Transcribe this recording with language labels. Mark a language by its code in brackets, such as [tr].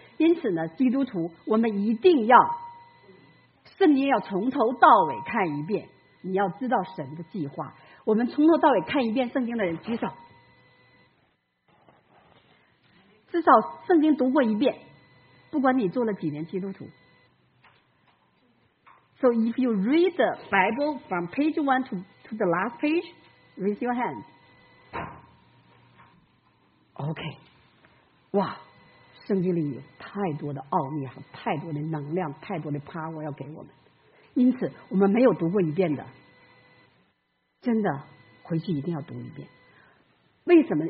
[zh] 因此呢，基督徒我们一定要圣经要从头到尾看一遍，你要知道神的计划。我们从头到尾看一遍圣经的人举手，至少圣经读过一遍，不管你做了几年基督徒。 [en] So if you read the Bible from page 1 to the last page, raise your hand. [zh] OK， 哇，圣经里有太多的奥秘和太多的能量，太多的 power 要给我们。因此我们没有读过一遍的，真的回去一定要读一遍。为什么？